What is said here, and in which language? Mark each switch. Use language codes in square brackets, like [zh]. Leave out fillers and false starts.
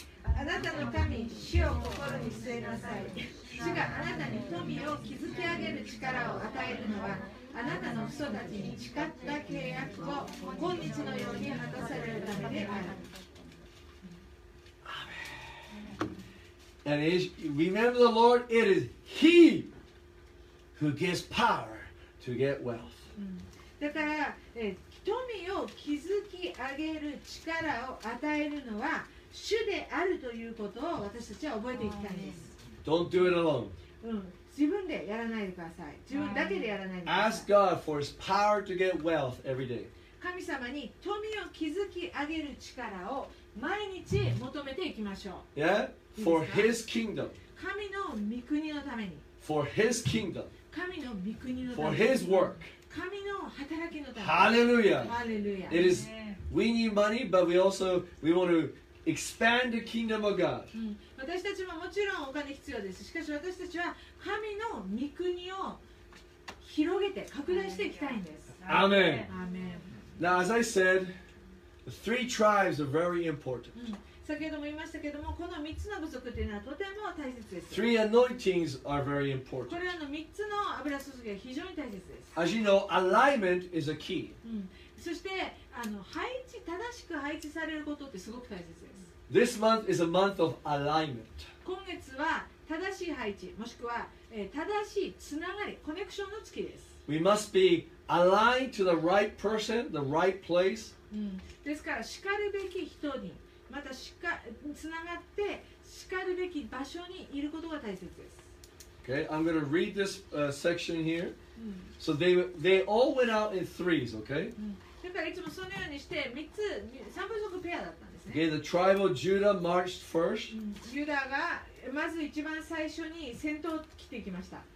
[ja] あなたの神、主を心に据えなさい。主があなたに富を築き上げる力を与えるのは、あなたの父祖たちに誓った契約を今日のように果たされるためである。アーメン。 [en] And is, remember the Lord, it is He who gives power to get wealth. [ja] だから、富を築き上げる力を与えるのは主であるということを私たちは覚えていきたいです。 [en] Don't do it alone. [ja] 自分でやらないでください。自分だけでやらないでください。 [en] Ask God for His power to get wealth every day. [ja] 神様に富を築き上げる力を毎日求めていきましょう。 [en] Yeah? For His kingdom. [ja] 神の御国のために。 [en] For His kingdom. [ja] 神の御国のために。 [en] For His work. [ja] 神の働きのために。 [en] Hallelujah! Hallelujah! It is, we need money, but we also, we want to... Expand the kingdom of God. [ja] 私たちももちろんお金必要です。しかし私たちは神の御国を広げて拡大していきたいんです。 [en] Amen. Amen. Now, as I said, the three tribes are very important. [ja] 先ほども言いましたけれども、この3つの部族というのはとても大切です。 [en] Three anointings are very important. [ja] これらの3つの油注ぎは非常に大切です。 [en] As you know, alignment is a key. [ja] そして配置正しく配置されることってすごく大切です。 [en] This month is a month of alignment. [ja] 今月は正しい配置もしくは、正しいつながりコネクションの月です。 [en] We must be aligned to the right person, the right place.、 [ja] ですから叱るべき人にまたつながって叱るべき場所にいることが大切です。 [en] Okay, I'm going to read this section here.、So they all went out in threes, okay?、 [ja] だからいつもそのようにして3つ、3部族ペアだったんですね。 [en] Okay, the tribe of Judah marched first.、 [ja] ユダがまず一番最初に先頭を切っていきました。